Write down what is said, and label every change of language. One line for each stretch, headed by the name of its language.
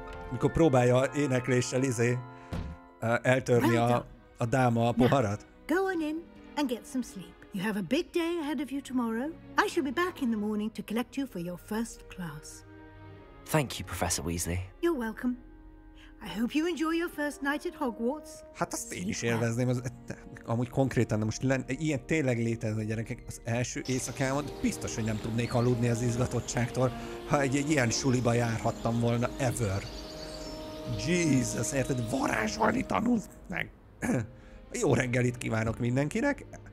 Hungarian: Mikor próbálja énekléssel, izé, eltörni a dáma a poharat?
English: Now, go on in and get some sleep. You have a big day ahead of you tomorrow. I shall be back in the morning to collect you for your first class. Thank you, Professor Weasley. You're welcome. I hope you enjoy your first night at Hogwarts.
Hungarian: Hát azt én is élvezném, amúgy konkrétan, de most ilyen tényleg létezne, gyerekek, az első éjszakámon biztos, hogy nem tudnék aludni az izgatottságtól, ha egy ilyen suliba járhattam volna ever. Jesus, érted, varázsolni tanulsz meg. Jó reggelit kívánok mindenkinek.